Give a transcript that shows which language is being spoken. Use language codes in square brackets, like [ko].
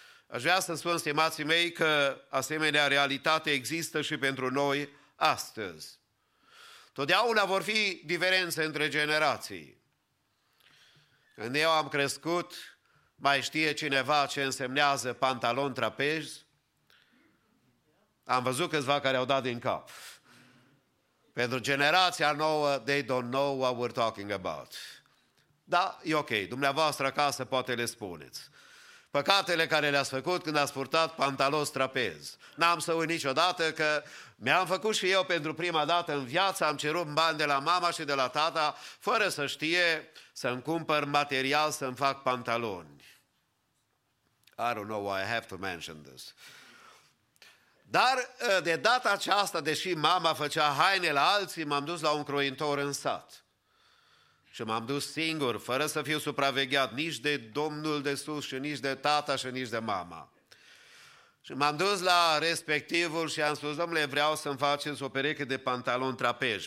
[ro] Aș vrea să spun, stimații mei, că asemenea realitate există și pentru noi astăzi. Totdeauna vor fi diferențe între generații. Când eu am crescut, mai știe cineva ce însemnează pantalon trapez? Am văzut câțiva care au dat din cap. Pentru generația nouă, [en] they don't know what we're talking about. [ro] Da, e ok, dumneavoastră acasă poate le spuneți. Păcatele care le-ați făcut când ați purtat pantaloni trapez. N-am să uit niciodată că mi-am făcut și eu pentru prima dată în viață, am cerut bani de la mama și de la tata, fără să știe, să-mi cumpăr material să-mi fac pantaloni. [en] I don't know why I have to mention this. [ro] Dar de data aceasta, deși mama făcea haine la alții, m-am dus la un croitor în sat. Și m-am dus singur, fără să fiu supravegheat nici de domnul de sus și nici de tata și nici de mama. Și m-am dus la respectivul și am spus, domnule, vreau să-mi faceți o pereche de pantaloni trapez.